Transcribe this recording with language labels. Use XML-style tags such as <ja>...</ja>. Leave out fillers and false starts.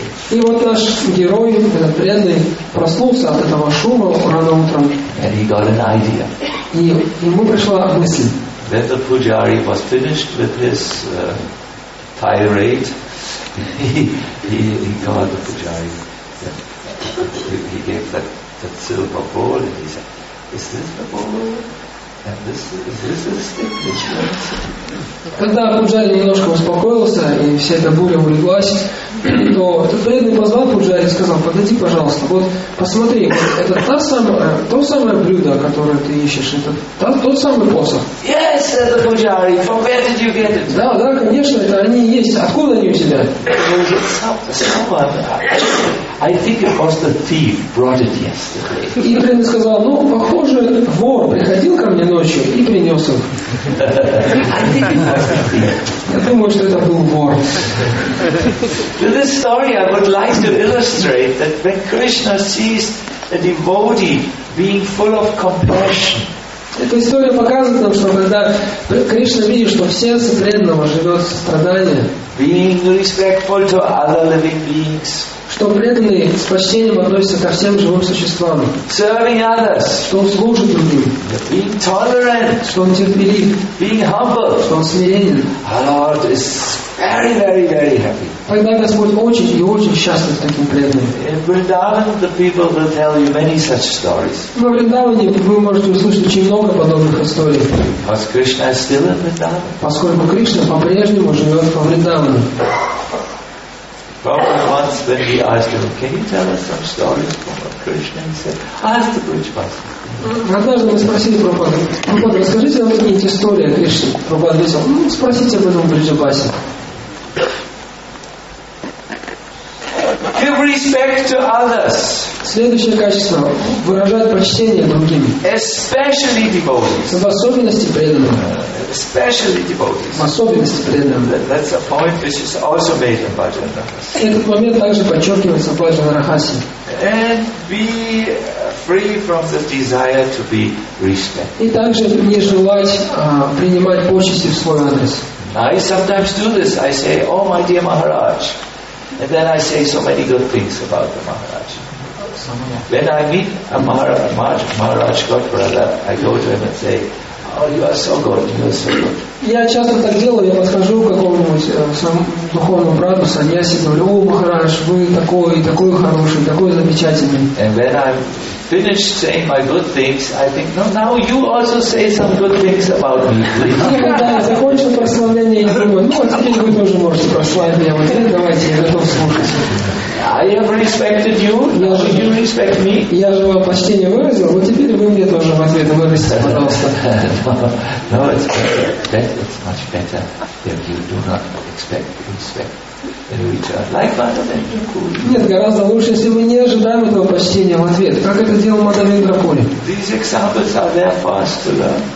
<ru>И вот наш герой, этот преданный, проснулся от этого шума рано утром.</ru> <en>And he got an idea.</en> <ru>И ему пришла мысль.</ru> <en>That the pujari was finished with his tirade. He called the pujari. He gave that silver bowl and he said, "Is this the bowl? And this is the stick?"</en> <ru>Когда пуджари немножко успокоился и вся эта буря улеглась, то этот преданный позвал пуджари и сказал: "Подойди, пожалуйста. Вот посмотри, это то самое блюдо, которое ты ищешь. Это тот самый посох."</ru> <en>Yes, the pujari. From where did you get it?</en> <ru>Да, конечно, это они есть. Откуда они у тебя?</ru> <en>I think it was the thief brought it yesterday.</en> <ru>И преданный сказал: "Ну, похоже, вор приходил ко мне ночью и принес его." Я думаю, что это был вор.</ru> <en>To this story, I would like to illustrate that when Krishna sees a devotee being full of compassion.</en> <ru>Эта история показывает нам, что когда Кришна видит, что в сердце преданного живет страдание,</ru> <en>being respectful to other living beings,</en> <ru>что преданный с почтением относится ко всем живым существам,</ru> <en>serving others,</en> <ru>что он служит другим,</ru> <en>being tolerant,</en> <ru>что он терпелив,</ru> <en>being humble,</en> <ru>что он смиренен,</ru> <en>our Lord is very, very, very happy.</en> <ru>Тогда Господь очень и очень счастлив таким преданным.</ru> <en>In Vrindavan, the people will tell you many such stories.</en> <ru>В Вриндаване вы можете услышать очень много подобных историй.</ru> <en>Because Krishna is still in Vrindavan.</en> <ru>Поскольку Кришна по-прежнему живет во Вриндаване.</ru> <en>Prabhupada once, when we asked him, "Can you tell us some stories about Krishna?" He said, "Ask the Brijbhasa."</en> <ru>Однажды мы спросили Прабхупаду: "Прабхупада, расскажите нам какие-нибудь истории о Кришне." Прабхупада ответил: "Ну, спросите об этом Брижабасе."</ru> <en>Give respect to others.</en> <ru>Следующее качество – выражать почтение другим.</ru> <en>Especially devotees.</en> <ru>В особенности преданным.</ru> <en>Especially devotees.</en> <ru>В особенности преданным.</ru> <en>That's a point which is also made in Bhajan-rahasya.</en> <ru>Этот момент также подчеркивается в Бхаджан-рахасе.</ru> <en>And be free from the desire to be respected.</en> <ru>И также не желать принимать почести в свой адрес.</ru> <en>I sometimes do this. I say, "Oh, my dear Maharaj." And then I say so many good things about the Maharaj. When I meet a Maharaj God brother, I go to him and say, "Oh, you are so good, you are so good."</en> <ru>Я часто так делаю, я подхожу к какому-нибудь духовному брату, саньяси, говорю: "О, Махарадж, вы такой, такой хороший, такой замечательный."</ru> <en>And when I finish saying my good things, I think, "No, now you also say some good things about me, please."</en> <ru>И когда я закончу прославление, я думаю: "Ну, а теперь вы тоже можете прославить меня, вот теперь давайте, я готов слушать."</ru> <en>I have respected you, now you respect me.</en> <ru>Я же вам почтение выразил, вот теперь вы мне тоже в ответ выразите, пожалуйста.</ru> <en>No, it's better. It's much better if you do not expect respect in return. Like Madhavendra Puri.</en> <ru>Нет, гораздо лучше, если мы не ожидаем этого почтения в ответ, как это делал Мадхавендра Пури.</ru> <en>These examples are there for us to learn.</en>